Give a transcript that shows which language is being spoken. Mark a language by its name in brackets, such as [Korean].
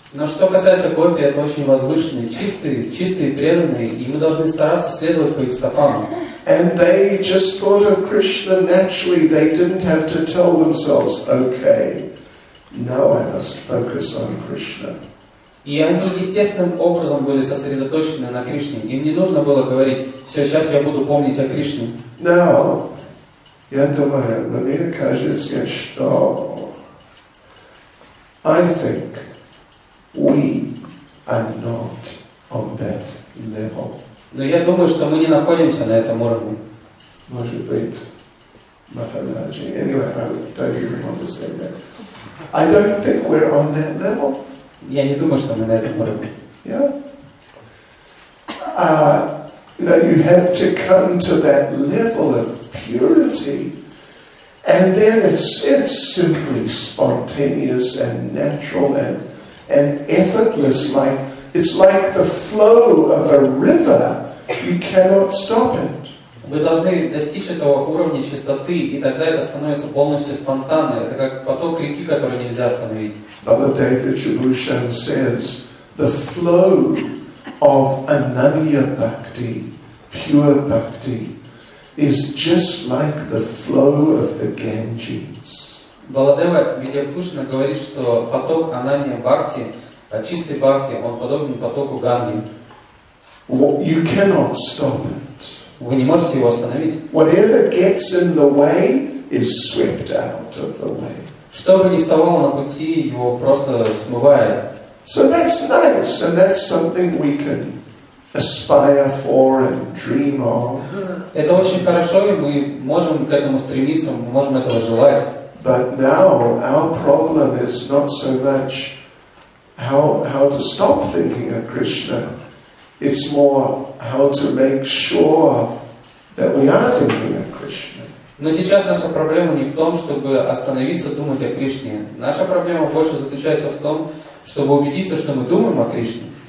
[Russian] Но что касается гопи, это очень возвышенные, чистые, чистые преданные, и мы должны стараться следовать по их стопам. [English] And they just thought of Krishna naturally. They didn't have to tell themselves, okay, now I must focus on Krishna. [Russian] И они естественным образом были сосредоточены на Кришне. Им не нужно было говорить, все, сейчас я буду помнить о Кришне. [English] Now, [Russian] я думаю, мне кажется, что [English] I think we are not on that level. [Russian] Но я думаю, что мы не находимся на этом уровне. Может быть, Махараджи. [English] Anyway, I don't even want to say that. I don't think we're on that level. [Russian] Я не думаю, что мы на этом уровне. [English] Yeah. You have to come to that level of purity, and then it's simply spontaneous and natural and effortless. Like it's like the flow of a river. You cannot stop it. [Russian] Вы должны достичь этого уровня чистоты, и тогда это становится полностью спонтанно. Это как поток реки, который нельзя остановить. [English] Bhagavata Vibhushan says, the flow of ananya bhakti, pure bhakti, is just like the flow of the Ganges. [Russian] Bhagavata Vibhushan говорит, что поток ананья бхакти, чистой бхакти, он подобен потоку Ганги. [English] You cannot stop it. [Russian] Вы не можете его остановить. [English] Whatever gets in the way is swept out of the way. [Russian] Что бы ни вставало на пути, его просто смывает. [English] So that's nice, and that's something we can aspire for and dream of. [Russian] Это очень хорошо, и мы можем к этому стремиться, мы можем этого желать. [English] But now our problem is not so much how to stop thinking of Krishna. It's more how to make sure that we are thinking of Krishna. [Russian] Но сейчас наша проблема не в том, чтобы остановиться думать о Кришне. Наша проблема больше заключается в том, чтобы убедиться, что мы думаем о Кришне.